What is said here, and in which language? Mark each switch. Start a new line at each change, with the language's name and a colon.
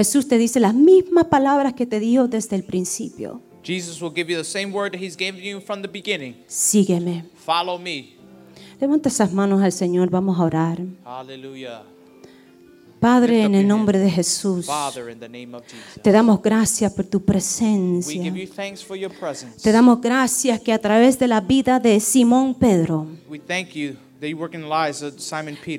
Spanish: Jesús te dice las mismas palabras que te dijo desde el principio.
English: Jesus will give you the same word that he's given you from the beginning.
Spanish: Sígueme.
English: Follow me.
Spanish: Levanta esas manos al Señor, vamos a orar. Aleluya. Padre, en el nombre de Jesús,
English: Father, in the name of Jesus,
Spanish: te damos gracias por tu presencia.
English: We give you thanks for your presence.
Spanish: Te damos gracias que a través de la vida de Simón Pedro,
English: we thank you that you work in the lives of Simon Peter.